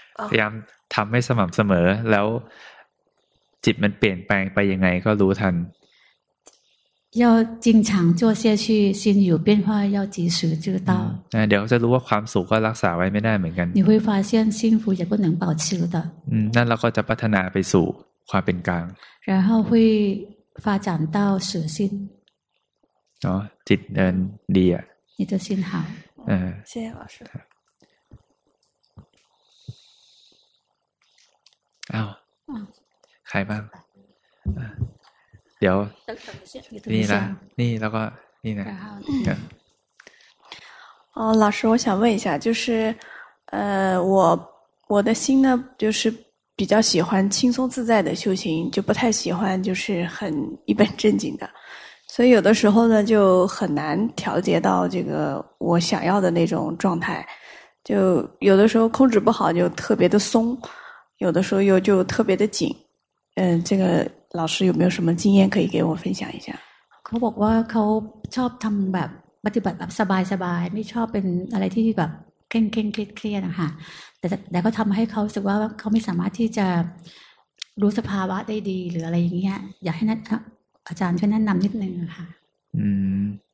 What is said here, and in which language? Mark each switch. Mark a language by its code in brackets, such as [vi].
[th] พยายามทำให้สม่ำเสมอแล้วจิตมันเปลี่ยนแปลงไปยังไงก็รู้ทัน [zh] 要经常做下去心有变化要及时知道 [th] เดี๋ยวจะรู้ว่าความสุขก็รักษาไว้ไม่ได้เหมือนกัน [zh] 你会发现幸福也不能保持的 [th] นั่นเราก็จะพัฒนาไปสู่ความเป็นกลาง [zh] 然后会发展到舍心哦，真的厉害！你的心好，谢谢老师。啊，开吧，聊。等一下，你那个，你呢？哦，老师，我想问一下，就是，我的心呢，就是比较喜欢轻松自在的修行，就不太喜欢就是很一本正经的。所以有的时候呢就很难调节到这个我想要的那种状态就有的时候控制不好就特别的松有的时候又就特别的紧这个老师有没有什么经验可以给我分享一下 [th] เขาบอกว่าเขาชอบทำแบบปฏิบัติแบบสบายสบายไม่ชอบเป็นอะไรที่แบบเคร่งเคร่งเครียดนะคะแต่ก็ทำให้เขารู้สึกว่าเขาไม่สามารถที่จะรู้สภาวะได้ดีหรืออะไรอย่างเงี้ยอยากให้นัทอาจารย์ช่วยแนะนำนิดนึงค่ะ